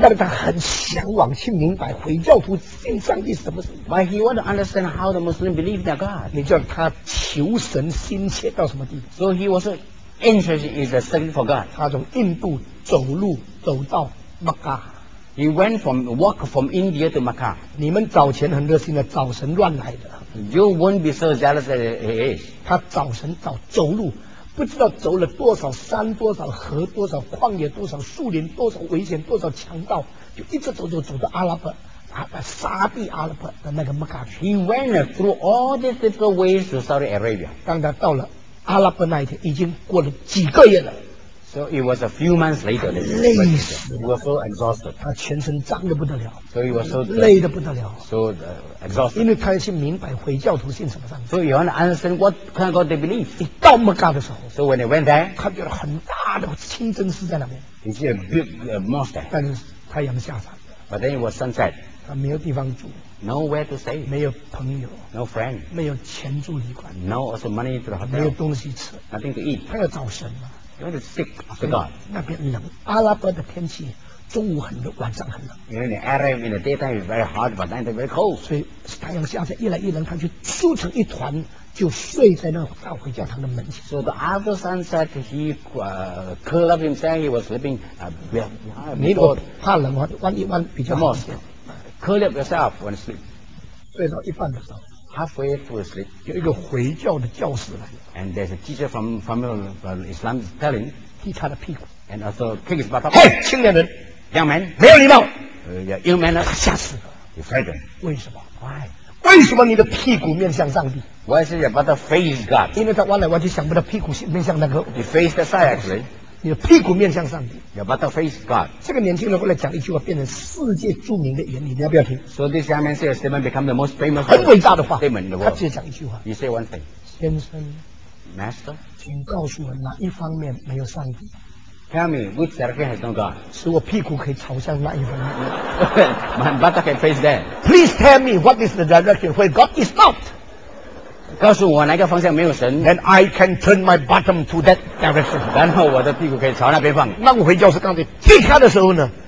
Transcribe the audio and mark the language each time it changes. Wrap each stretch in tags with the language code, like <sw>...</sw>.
<zh>但是他很向往去明白回教徒信上帝什么</zh> <en>？But he want to understand how the Muslim believe their God.</en> <zh>你叫他求神心切到什么地步</zh> <en>？So he was interested in the search for God.</en> <zh>他从印度走路走到麦加。</zh> <en>He went from walk from India to Macau.</en> <zh>你们找钱很热心的，找神乱来的。</zh> <en>You won't be so jealous as he is.</en> <zh>他找神找走路，不知道走了多少山、多少河、多少旷野、多少树林、多少危险、多少强盗，就一直走走走到阿拉伯。沙地阿拉伯的那个麦卡</zh> <en>He went through all these different ways to Saudi Arabia.</en> <zh>当他到了阿拉伯那一天，已经过了几个月了。</zh> <en>So it was a few months later.</en> <zh>累死了。</zh> <en>He was so exhausted.</en> <zh>他全身脏得不得了。</zh> <en>So he was so</en> <zh>累得不得了。</zh> <en>So exhausted.</en> <zh>因为他是明白回教徒信什么上帝。</zh> <en>So he wanted to understand what kind of God they believe.</en> <zh>一到麦卡的时候。</zh> <en>So when he went there.</en> <zh>他觉得很大的清真寺在那边。</zh> <en>He saw a big mosque.</en> <zh>但是太阳下山。</zh> <en>But then it was sunset.</en> <zh>他没有地方住</zh> <en>，nowhere to stay，</en> <zh>没有朋友</zh> <en>，no friend，</en> <zh>没有钱住旅馆</zh> <en>，no also money to the hotel，</en> <zh>没有东西吃</zh> <en>，nothing to eat，</en> <zh>他要找神嘛</zh> <en>，you want to seek after God。</en> <zh>那边冷，阿拉伯的天气中午很冷，晚上很冷。</zh> <en>因为 the Arab in the daytime is very hot， but night is very cold。</en> <zh>所以太阳下山越来越冷，他就缩成一团，就睡在那大回教堂的门前。</zh> <en>So the after sunset, he curled himself. He was sleeping.</en> <zh>没有怕冷啊，弯一弯比较好。</zh> <en>Curl up yourself when sleep.</en> <zh>睡到一半的时候</zh> <en>，halfway through sleep，</en> <zh>有一个回教的教师来。</zh> <en>And there's a teacher from Islam telling，</en> <zh>踢他的屁股。</zh> <en>And also kick his butt.</en> <zh>嘿，青年人</zh> <en>，young man，</en> <zh>没有礼貌。</zh> <en>Young man，</en> <zh>他吓死了。</zh> <en>He frightened.</en> <zh>为什么</zh> <en>？Why？</en> <zh>为什么你的屁股面向上帝</zh> <en>？Why is your butt face God？</en> <zh>因为他弯来弯去，想不到屁股面向那个。</zh> <en>He faced the side actually.</en> <zh>你的屁股面向上帝</zh> <en>Your butt face God</en> <zh>这个年轻人过来讲一句话变成世界著名的原理你要不要听</zh> <en>So this young man said a statement become the most famous</en> <zh>很伟大的话</zh> <en>statement in the world.</en> <zh>他只讲一句话</zh> <en>He said one thing</en> <zh>先生</zh> <en>Master</en> <zh>请告诉我哪一方面没有上帝</zh> <en>Tell me which direction has no God</en> <zh>使我屁股可以朝向哪一方面</zh> <en>My butt can face that Please tell me what is the direction where God is not</en> <zh>告诉我哪个方向没有神</zh> <en>Then I can turn my bottom to thatDirection.</en> <zh>然后我的屁股可以朝那边放。那个回教士刚才踢他的时候呢</zh>